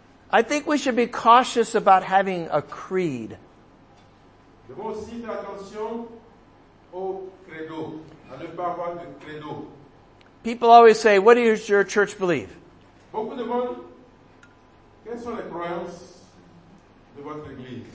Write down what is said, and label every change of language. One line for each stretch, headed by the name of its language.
English: I think we should be cautious about having a creed.
French: Aussi faire attention au credo, à ne pas avoir de credo.
English: People always say, what does your church believe?
French: Beaucoup demandent, quelles sont les croyances de votre église?